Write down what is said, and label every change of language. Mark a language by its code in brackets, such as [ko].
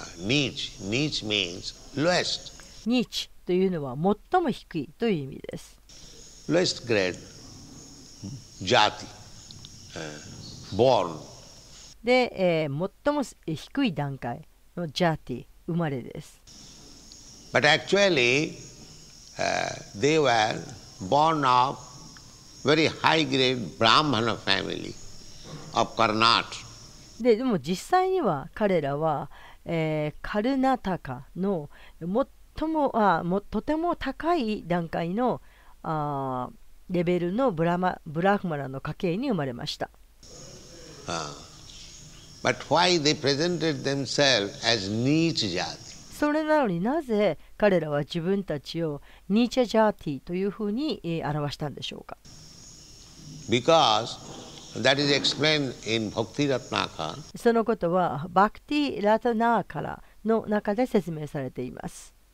[en] ニッチ means lowest. [ja] ニッチというのは最も低いという意味です。 [en] lowest grade jati born. [ja] で、最も低い段階のジャーティ、生まれです。 [en] But actually, they were born of very high grade Brahmana family of Karnataka. [ja] でも実際には彼らは、カルナタカの最も、とても高い段階のレベルのブラフマラの家系に生まれました。 [en] But why they presented themselves as Neech Jati? [ja] それなのになぜ彼らは自分たちをニーチャジャーティというふうに表したんでしょうか？ [en] Because that is explained in Bhakti Ratnakara. [ja] そのことはバクティラタナーカラの中で説明されています。